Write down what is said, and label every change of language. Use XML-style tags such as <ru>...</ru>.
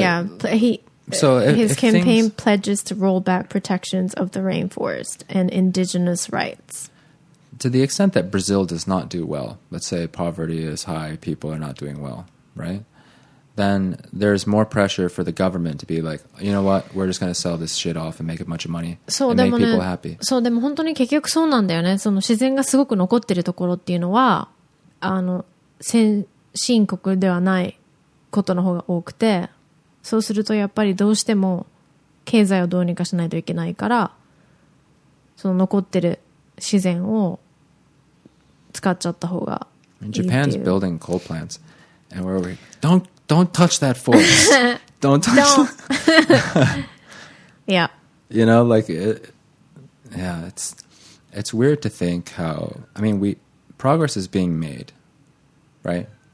<en>yeah, his campaign pledges to roll back protections of the rainforest and indigenous rights. To the extent that Brazil does not do well, let's say poverty is high, people are not doing well, right? Then there's more pressure for the government to be like, you know what, we're just going to sell this shit off and make a bunch of money and make people happy.</en> <ja>そう、でも本当に結局そうなんだよね。その自然がすごく残ってるところっていうのは、あの、先進国ではないことの方が多くて、そうするとやっぱりどうしても経済をどうにかしないといけないから、その残ってる自然を使っちゃった方がいいっていう。</ja> <en>Japan's building coal plants, and where are we? Don't touch that forest. Don't touch. Don't. Yeah. You know, like it. Yeah, it's weird to think how. I mean, progress is being made, right?</en>